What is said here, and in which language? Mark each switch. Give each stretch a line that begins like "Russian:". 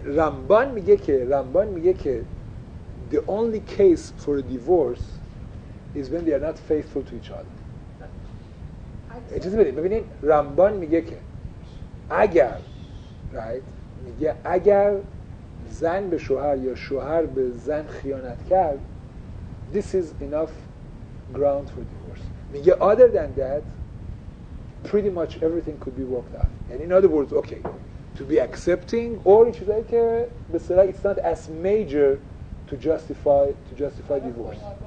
English: رمبان
Persian: میگه که
English: the only case for a divorce is when they are not faithful to each other.
Persian: اجازه بدید ببینید رمبان میگه که اگر right میگه اگر زن به شوهر یا شوهر به زن خیانت کرد
English: this is enough ground for divorce.
Persian: میگه
English: other than that pretty much everything could be worked out. And in other words, okay, to be accepting or it's like it's not as major to justify divorce.